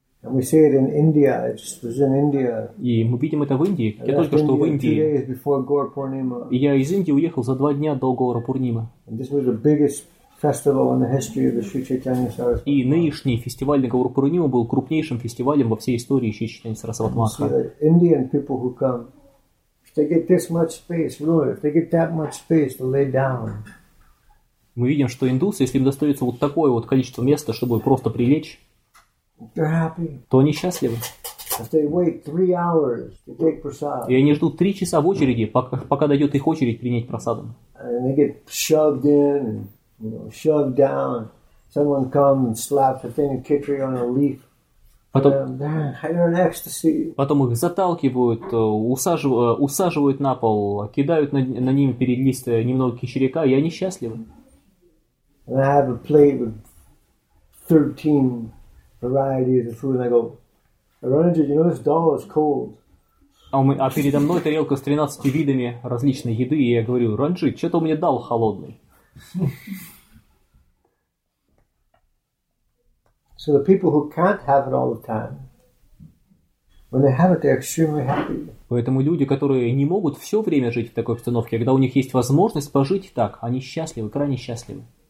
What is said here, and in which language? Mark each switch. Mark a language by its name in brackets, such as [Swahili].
[Russian] И мы видим это в Индии. Я только что в Индии. Я из Индии уехал за 2 дня до Гора Пурнима. [English] Festival in the history of the Sri Chaitanya Saraswati. [Russian] И нынешний фестиваль на Гору Пурнима был крупнейшим фестивалем во всей истории Шри Чайтанья Сарасватмаха. [English] Indian people who come, if they get this much space, really, if they get that much space to lay down. [Russian] Мы видим, что индусы, если им достается вот такое вот количество места, чтобы просто прилечь, [English] they're happy. [Russian] То они счастливы. [English] If they wait 3 hours to take prasad. [Russian] И они ждут 3 часа в очереди, пока дойдет их очередь принять прасадом. [English] And they get shoved in. You know, shoved down. Someone comes and slaps a thing of khichdi on a leaf. [Russian] Потом, [English] they're in ecstasy. [Russian] Потом их заталкивают, усаживают на пол, кидают на ним перед листы немного кичерика, и они счастливы. [English] And I have a plate with 13 varieties of food, and I go, Ranjit, you know this dal is cold. [Russian] А передо мной тарелка с 13 видами различной еды, и я говорю, Ранджит, что-то у меня дал холодный. [English] So the people who can't have it all the time, when they have it, they're extremely happy. [Russian] Поэтому люди, которые не могут все время жить в такой обстановке, когда у них есть возможность пожить так, они счастливы, крайне счастливы.